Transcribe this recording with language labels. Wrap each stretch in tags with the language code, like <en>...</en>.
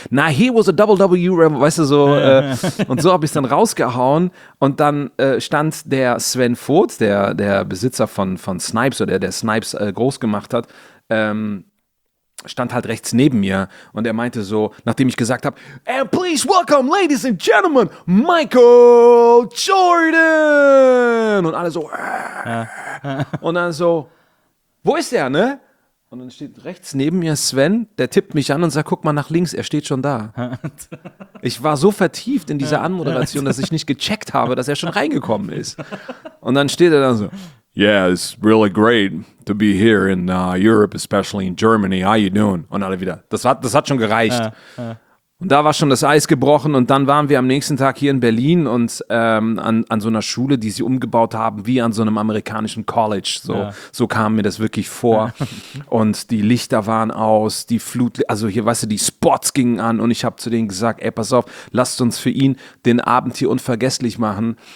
<de>Na,</de> <en>he was a WWE-Rebel,</en> <de>weißt du, so und so habe ich es dann rausgehauen und dann stand der Sven Voth, der Besitzer von Snipes oder der Snipes groß gemacht hat, stand halt rechts neben mir und er meinte so, nachdem ich gesagt habe,</de> <en>and please welcome, ladies and gentlemen, Michael Jordan!</en> <de>Und alle so, und dann so, wo ist der, ne? Und dann steht rechts neben mir Sven, der tippt mich an und sagt, guck mal nach links, er steht schon da. Ich war so vertieft in dieser Anmoderation, dass ich nicht gecheckt habe, dass er schon reingekommen ist. Und dann steht er da so,</de> <en>yeah, it's really great to be here in Europe, especially in Germany. How you doing?</en> <de>Und alle wieder. Das hat schon gereicht. Und da war schon das Eis gebrochen und dann waren wir am nächsten Tag hier in Berlin und an so einer Schule, die sie umgebaut haben, wie an so einem amerikanischen College. So kam mir das wirklich vor. Und die Lichter waren aus, die Flut, also hier, weißt du, die Spots gingen an und ich habe zu denen gesagt, ey, pass auf, lasst uns für ihn den Abend hier unvergesslich machen.</de>